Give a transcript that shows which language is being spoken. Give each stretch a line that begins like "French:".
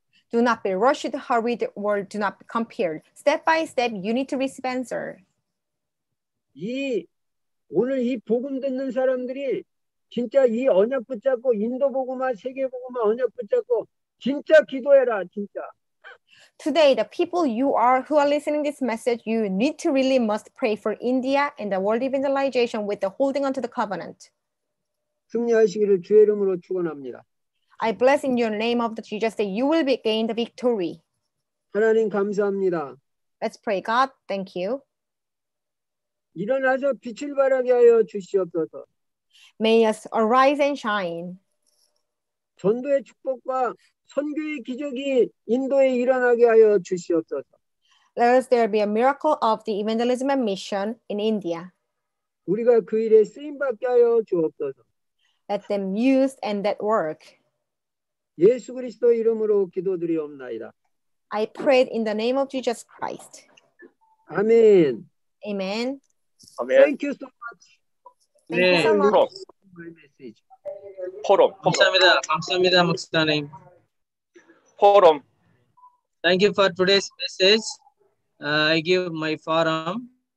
English: Do not be rushed, hurried, or do not be compared. Step by step, you need to receive answer.
Korean: 이 오늘 이 복음 듣는 사람들이 진짜 이 언약 붙잡고 인도 복음화 세계 복음화 언약 붙잡고 진짜 기도해라 진짜.
English: Today, the people you are who are listening this message, you need to really must pray for India and the world evangelization with the holding onto the covenant.
Korean: 승리하시기를 주의 이름으로 축원합니다.
English: I bless in your name of the Jesus that you will be gained the victory.
Korean: 하나님 감사합니다.
English: Let's pray, God. Thank you.
Korean: 일어나서 빛을 발하게 하여 주시옵소서.
English: May us arise and shine.
Korean: 전도의 축복과 선교의 기적이 인도에 일어나게 하여 주시옵소서.
English: Let us there be a miracle of the evangelism and mission in India.
Korean: 우리가 그 일에 쓰임 받게 하여 주옵소서.
English: Let them use and that work.
Korean: 예수 그리스도 이름으로 기도드리옵나이다.
English: I prayed in the name of Jesus Christ.
Korean: 아멘.
English: Amen. Amen. Thank you so much. Thank you so much.
Korean: 포럼. 감사합니다. 감사합니다, 목사님. 포럼.
English: Thank you for today's message. I give my forum.